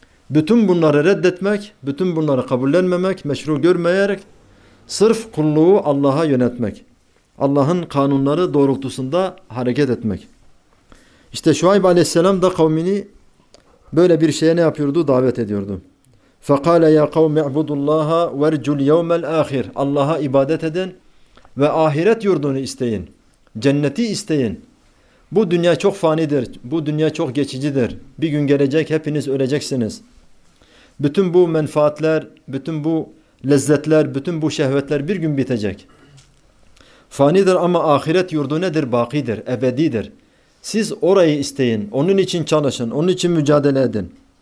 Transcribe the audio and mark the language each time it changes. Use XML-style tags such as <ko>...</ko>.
<tr>Bütün bunları reddetmek, bütün bunları kabullenmemek, meşru görmeyerek sırf kulluğu Allah'a yönetmek. Allah'ın kanunları doğrultusunda hareket etmek. İşte Şuayb aleyhisselam da kavmini böyle bir şeye ne yapıyordu? Davet ediyordu.</tr> <ar>فَقَالَ يَا قَوْمِ اَعْبُدُ اللّٰهَ وَرْجُ الْيَوْمَ الْآخِرِ</ar> <tr>Allah'a ibadet edin ve ahiret yurdunu isteyin. Cenneti isteyin. Bu dünya çok fanidir. Bu dünya çok geçicidir. Bir gün gelecek, hepiniz öleceksiniz. Bütün bu menfaatler, bütün bu lezzetler, bütün bu şehvetler bir gün bitecek. Fanidir ama ahiret yurdu nedir? Bakidir, ebedidir. Siz orayı isteyin. Onun için çalışın, onun için mücadele edin.</tr>